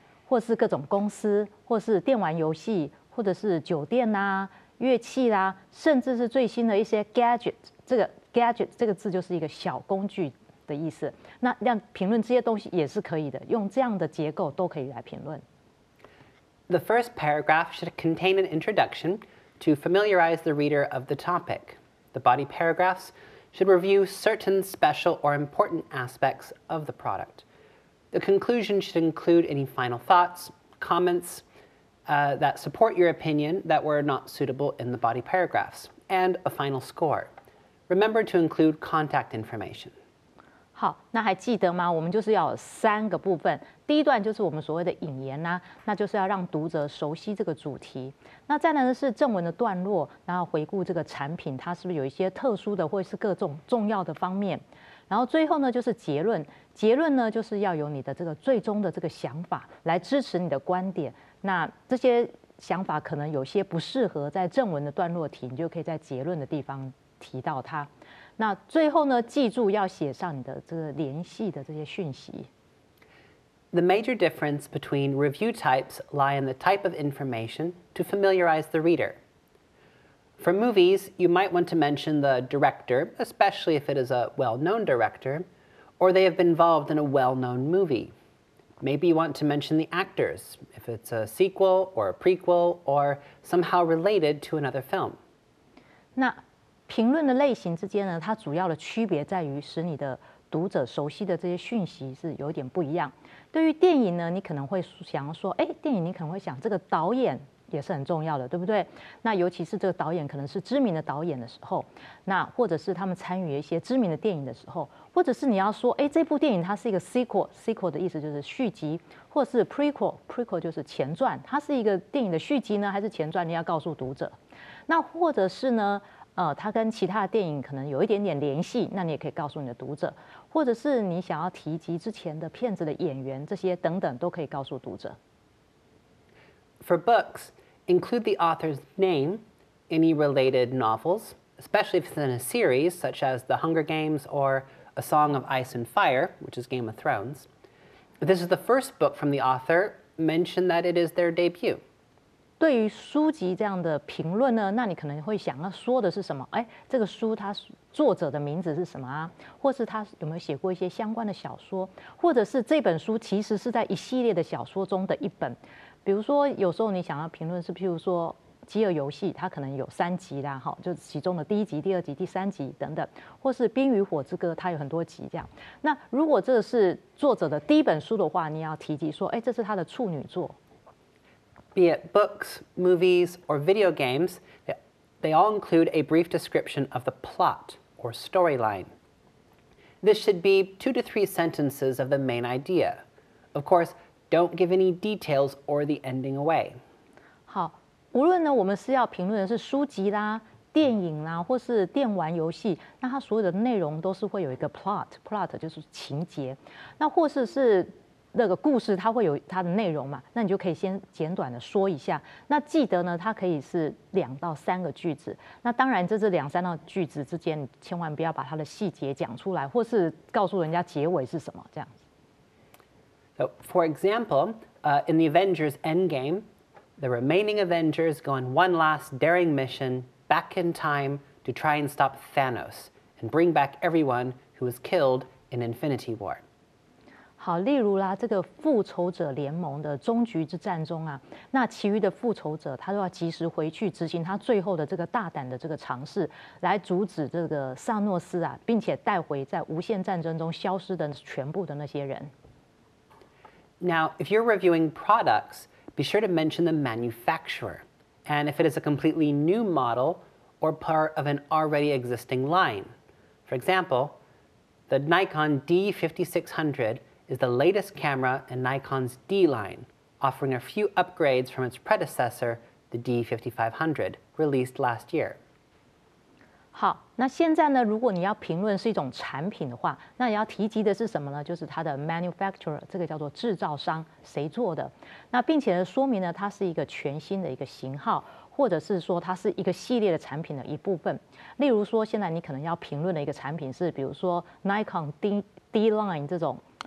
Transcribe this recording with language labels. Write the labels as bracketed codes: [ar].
[zh] 或是各种公司，或是电玩游戏，或者是酒店啊、乐器啊，甚至是最新的一些 gadget。这个 gadget 这个字就是一个小工具的意思。那让评论这些东西也是可以的，用这样的结构都可以来评论。 [en] The first paragraph should contain an introduction to familiarize the reader of the topic. The body paragraphs should review certain special or important aspects of the product. The conclusion should include any final thoughts, comments, that support your opinion that were not suitable in the body paragraphs, and a final score. Remember to include contact information. [zh] 好，那还记得吗？我们就是要有三个部分。第一段就是我们所谓的引言啦，那就是要让读者熟悉这个主题。那再来呢是正文的段落，然后回顾这个产品它是不是有一些特殊的或是各种重要的方面。然后最后呢就是结论，结论呢就是要有你的这个最终的这个想法来支持你的观点。那这些想法可能有些不适合在正文的段落提，你就可以在结论的地方提到它。那最后呢，记住要写上你的这个联系的这些讯息。 [en] The major difference between review types lie in the type of information to familiarize the reader. For movies, you might want to mention the director, especially if it is a well-known director, or they have been involved in a well-known movie. Maybe you want to mention the actors, if it's a sequel or a prequel, or somehow related to another film. [zh] 那评论的类型之间呢，它主要的区别在于使你的读者熟悉的这些讯息是有点不一样。对于电影呢，你可能会想说，哎，电影你可能会想这个导演。也是很重要的，对不对？那尤其是这个导演可能是知名的导演的时候，那或者是他们参与一些知名的电影的时候，或者是你要说，哎，这部电影它是一个 sequel 的意思就是续集，或是 prequel 就是前传，它是一个电影的续集呢，还是前传？你要告诉读者。那或者是呢，它跟其他的电影可能有一点点联系，那你也可以告诉你的读者，或者是你想要提及之前的片子的演员这些等等，都可以告诉读者。 [en] For books, include the author's name, any related novels, especially if it's in a series, such as The Hunger Games or A Song of Ice and Fire, which is Game of Thrones. If this is the first book from the author, mention that it is their debut. [zh] 对于书籍这样的评论呢，那你可能会想要说的是什么？哎，这个书它作者的名字是什么啊？或是他有没有写过一些相关的小说？或者是这本书其实是在一系列的小说中的一本？比如说有时候你想要评论是譬如说饥饿游戏它可能有三集啦，就是其中的第一集、第二集、第三集等等，或是冰与火之歌它有很多集这样。那如果这是作者的第一本书的话，你要提及说，哎，这是他的处女作。 [en] Be it books, movies, or video games, they all include a brief description of the plot or storyline. This should be 2 to 3 sentences of the main idea. Of course,Don't give any details or the ending away. [zh] 好，无论呢，我们是要评论的是书籍啦、电影啦，或是电玩游戏，那它所有的内容都是会有一个 plot， 就是情节。那或是那个故事它会有它的内容嘛，那你就可以先简短的说一下。那记得呢，它可以是两到三个句子。那当然，这两三道句子之间，千万不要把它的细节讲出来，或是告诉人家结尾是什么这样子。 [en] So, for example, in the Avengers Endgame, the remaining Avengers go on one last daring mission back in time to try and stop Thanos and bring back everyone who was killed in Infinity War. [zh] 好，例如啦，这个复仇者联盟的终局之战中啊，那其余的复仇者他都要及时回去执行他最后的这个大胆的这个尝试，来阻止这个萨诺斯啊，并且带回在无限战争中消失的全部的那些人。 [en] Now, if you're reviewing products, be sure to mention the manufacturer, and if it is a completely new model or part of an already existing line. For example, the Nikon D5600. Is the latest camera in Nikon's D line, offering a few upgrades from its predecessor, the D5500, released last year. [zh] 好，那现在呢？如果你要评论是一种产品的话，那你要提及的是什么呢？就是它的 manufacturer， 这个叫做制造商，谁做的？那并且说明呢，它是一个全新的一个型号。或者是说它是一个系列的产品的一部分，例如说现在你可能要评论的一个产品是，比如说 Nikon D line 这种。